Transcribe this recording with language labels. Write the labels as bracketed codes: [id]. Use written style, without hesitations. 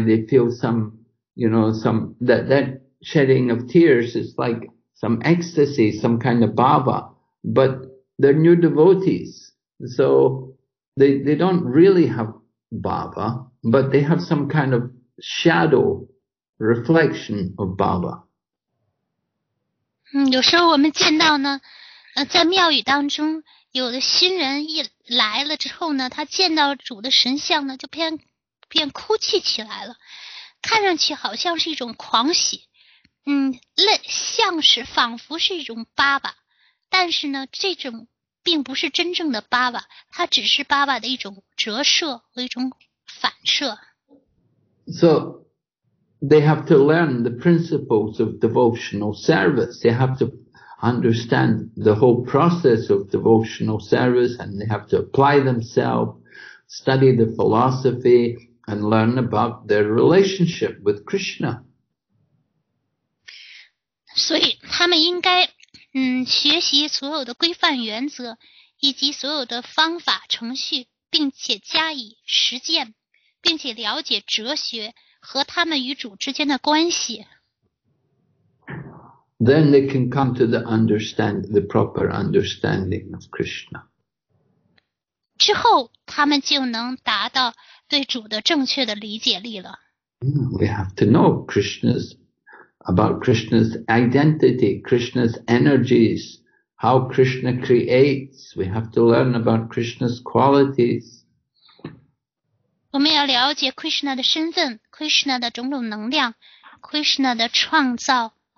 [en] They feel some, you know, some that shedding of tears is like some ecstasy, some kind of bhava. But they're new devotees, so they don't really have Baba, but they have some kind of shadow reflection of Baba. [zh] 有时候我们见到呢，在庙宇当中，有的新人一来了之后呢，他见到主的神像呢，就便哭泣起来了，看上去好像是一种狂喜，像是仿佛是一种巴巴，但是呢，这种并不是真正的巴巴，它只是巴巴的一种折射和一种反射。 [en] So they have to learn the principles of devotional service. They have to understand the whole process of devotional service, and they have to apply themselves, study the philosophy, and learn about their relationship with Krishna. [zh] 所以他们应该学习所有的规范原则以及所有的方法程序，并且加以实践，并且了解哲学和他们与主之间的关系。 [en] Then they can come to the proper understanding of Krishna. [zh] 之后他们就能达到对主的正确的理解力了。 [en] We have to know about Krishna's identity, Krishna's energies, how Krishna creates. We have to learn about Krishna's qualities. [zh] 我们要了解 Krishna 的身份， Krishna 的种种能量， Krishna 的创造。